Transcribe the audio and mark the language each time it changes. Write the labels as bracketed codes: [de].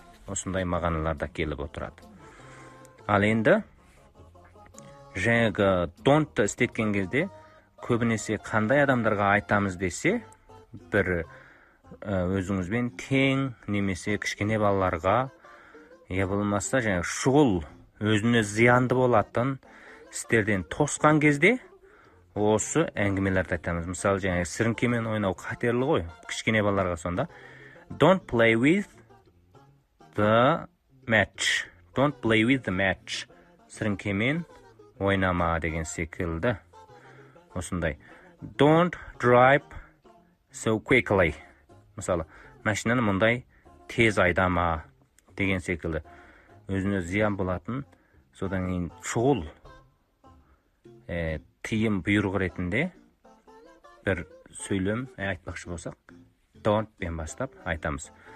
[kk] Осындай мағаналарда келіп отырады. Ал енді жаңағы don't істеткен кезде көбінесе қандай адамдарға айтамыз десе, бір өзіңізбен тең немесе кішкене балаларға, я болмаса жаңағы шұғыл өзіне зиянды болатын істерден тосқан кезде осы әңгімелерді айтамыз. Мысалы, жаңағы сіріңкемен ойнау қатерлі ғой кішкене балаларға. Сонда [en] don't play with the match. Don't play with the match. [kk] Сіріңкемен ойнама деген секілді. Осындай. [en] Don't drive so quickly. [kk] Мысалы, машинаны мұндай тез айдама деген секілді. Өзіне зиян болатын, содан кейін шұғыл тыйым бұйрығы ретінде бір сөйлем айтпақшы болсақ, don't бен бастап айтамыз.